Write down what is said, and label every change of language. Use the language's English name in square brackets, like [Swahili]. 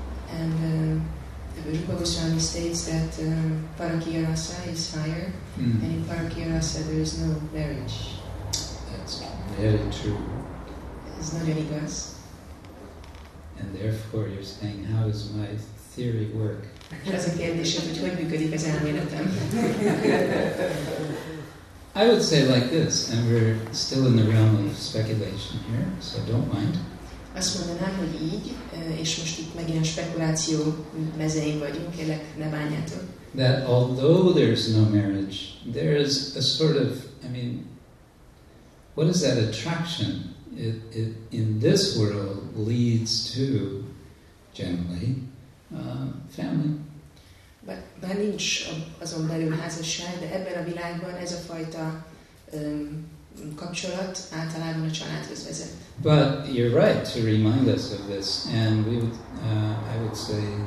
[English] And Rupa Goswami states that Parakiyarasa is higher, and in Parakiyarasa there is no marriage. That's very true. It's not any gas. And therefore you're saying, how does my theory work? [Hungarian] Az a kérdés, hogy hogy működik az elméletem. [English] I would say like this, and we're still in the realm of speculation here, so don't mind. [Hungarian] Azt mondanám, hogy így, és most itt megint a spekuláció mezején vagyunk, kérlek, ne bánjátok. [English] That although there's no marriage, there is a sort of, I mean, what is that attraction? It in this world leads to, generally, family. [Hungarian] Bár nincs azon belül házasság, de ebben a világban ez a fajta kapcsolat általában a családhoz vezet. [English] But you're right to remind us of this, and we would, I would say